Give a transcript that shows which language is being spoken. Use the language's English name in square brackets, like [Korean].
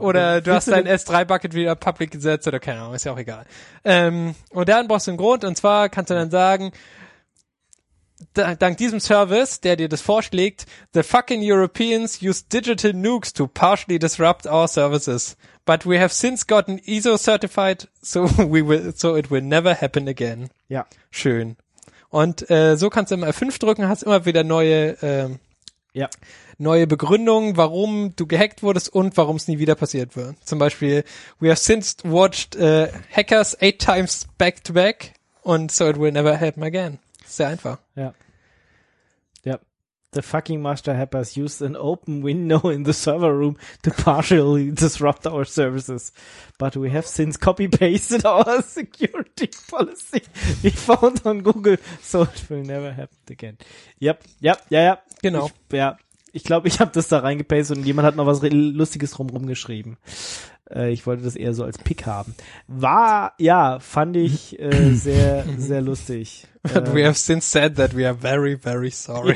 [German] Oder du hast dein S3-Bucket wieder public gesetzt oder keine Ahnung, ist ja auch egal. Und dann brauchst du einen Grund, und zwar kannst du dann sagen, dank diesem Service, der dir das vorschlägt, [English] the fucking Europeans use digital nukes to partially disrupt our services. But we have since gotten ISO certified, so it will never happen again. [German] Ja. Schön. Und so kannst du immer F5 drücken, hast immer wieder neue Begründungen, warum du gehackt wurdest und warum es nie wieder passiert wird. Zum Beispiel, [English] we have since watched hackers 8 times back to back and so it will never happen again. [German] Sehr einfach. Ja. Ja. [English] The fucking master hackers used an open window in the server room to partially disrupt our services. But we have since copy-pasted our security policy we found on Google, so it will never happen again. Yep. Yep. [German] Ja, ja. Genau. Ich glaube, ich habe das da reingepastet und jemand hat noch was Lustiges rumrum geschrieben. Ich wollte das eher so als Pick haben. War, ja, fand ich sehr, sehr lustig. [English] But we have since said that we are very, very sorry.